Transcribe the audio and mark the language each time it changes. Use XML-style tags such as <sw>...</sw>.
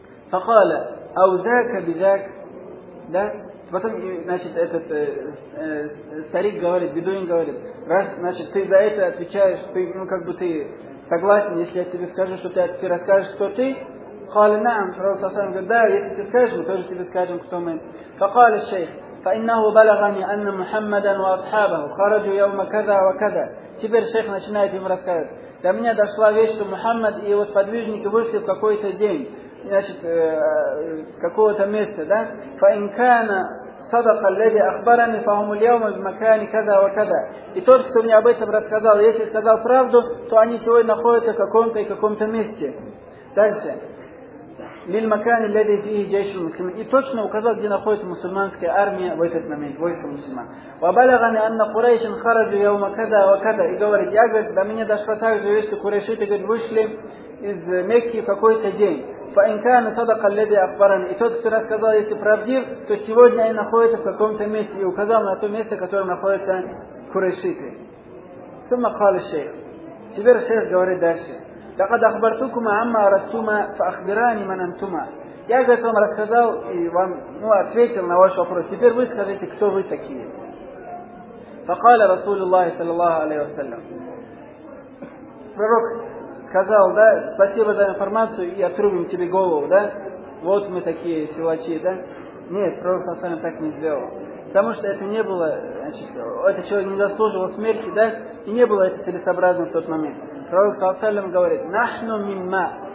<ar>Факала, аузака бидак, да?</ar> <ru>Потом, значит, этот старик говорит, бедуин говорит, раз, значит, ты за это отвечаешь, ты, ну, как бы ты согласен, если я тебе скажу, что ты расскажешь, кто ты?</ru> <ar>Факала, нам,</ar> <ru>пророк Сасан говорит, да, если ты скажешь, мы тоже тебе скажем, кто мы.</ru> <ar>Факала, шейх, فإنه بلغني أن محمدا وأصحابه خرجوا يوم كذا وكذا.</ar> <ru>Теперь шейх начинает ему рассказывать. До меня дошла вещь, что Мухаммад и его сподвижники вышли в какой-то день, значит, какого-то места, да?</ru> <ar>فإن كان صدق الذي أخبرني فهم اليوم بمكان كذا وكذا.</ar> <ru>И тот, кто мне об этом рассказал, если сказал правду, то они сегодня находятся в каком-то и каком-то месте. Дальше.</ru> <ar>للمكان الذي فيه جيش المسلمين.</ar> <ru>И точно указал, где находится мусульманская армия в этот момент, войско мусульман.</ru> <ar>وبلغني أن قريش خرجوا يوم كذا وكذا.</ar> <ru>И говорит, я говорю, до меня дошло так же, если курайшиты вышли из Мекки в какой-то день.</ru> <ar>فإن كان صدق الذي أخبرني.</ar> <ru>И тот, кто рассказал, если правдив, то сегодня они находятся в каком-то месте. И указал на то место, в котором находятся курайшиты.</ru> <ar>ثم قال الشيخ.</ar> <ru>Теперь шейх говорит дальше.</ru> <ar>لقد أخبرتكما عما أردتما فأخبراني من أنتما.</ar> <ru>Я говорит, вам рассказал и вам, ну, ответил на ваш вопрос. Теперь вы скажите, кто вы такие.</ru> <ar>فقال رسول الله صلى الله عليه وسلم.</ar> <ru>Пророк сказал, да, спасибо за информацию и отрубим тебе голову, да? Вот мы такие силачи, да? Нет, пророк сам так не сделал. Потому что это не было, значит, этот человек не заслуживал смерти, да? И не было это целесообразно в тот момент. Пророк Саусалям говорит,</ru> <ar>нахну мимма.</ar>